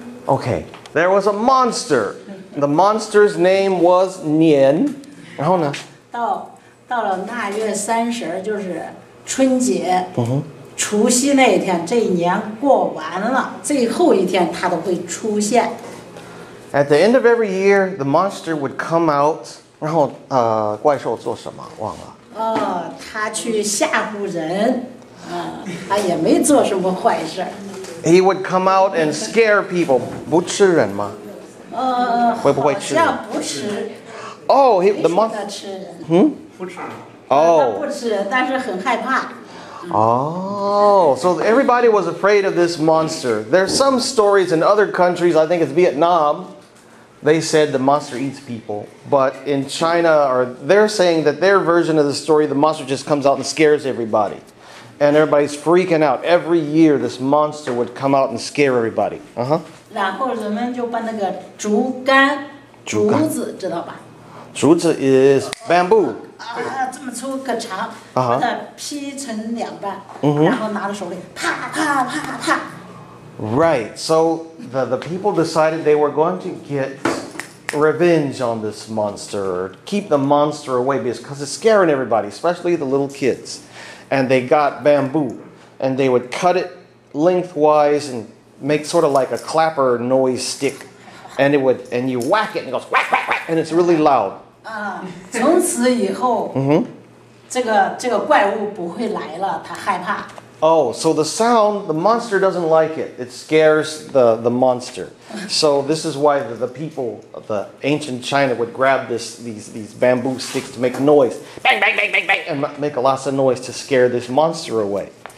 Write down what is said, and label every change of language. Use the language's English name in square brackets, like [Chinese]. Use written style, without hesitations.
[English] Okay, there was a monster. The monster's name was 年。 [Chinese] 然后呢？到了腊月三十，就是。春节、uh-huh. 除夕那一天这一年过完了最后一天它都会出现 [English] At the end of every year, the monster would come out [Chinese] 然后怪兽做什么忘了他去吓唬人他也没做什么坏事 [English] He would come out and scare people [Chinese] 不吃人吗会不会吃人好像不吃 [English] Oh, he, the monster [Chinese] 没说他吃人、 hmm? 不吃人 Oh. 他不吃但是很害怕。 [English] Oh, so everybody was afraid of this monster. There's some stories in other countries, I think it's Vietnam, they said the monster eats people. But in China, or they're saying that their version of the story, the monster just comes out and scares everybody. And everybody's freaking out. Every year, this monster would come out and scare everybody. Uh-huh. [Chinese] 然后人们就把那个竹竿竹子知道吧 [English] 竹子 is bamboo. [Chinese] 这么粗可长，把它劈成两半， uh-huh. 然后拿到手里，啪啪啪啪。 [English] Right. So the people decided they were going to get revenge on this monster, keep the monster away because it's scaring everybody, especially the little kids. And they got bamboo, and they would cut it lengthwise and make sort of like a clapper noise stick. And it would, and you whack it, and it goes whack, whack, whack, and it's really loud. [Chinese] 从此以后，这个怪物不会来了，它害怕。 [English] Oh, so the sound, the monster doesn't like it. It scares the monster. So this is why the people of the ancient China would grab these bamboo sticks to make noise. Bang, bang, bang, bang, bang, and make lots of noise to scare this monster away.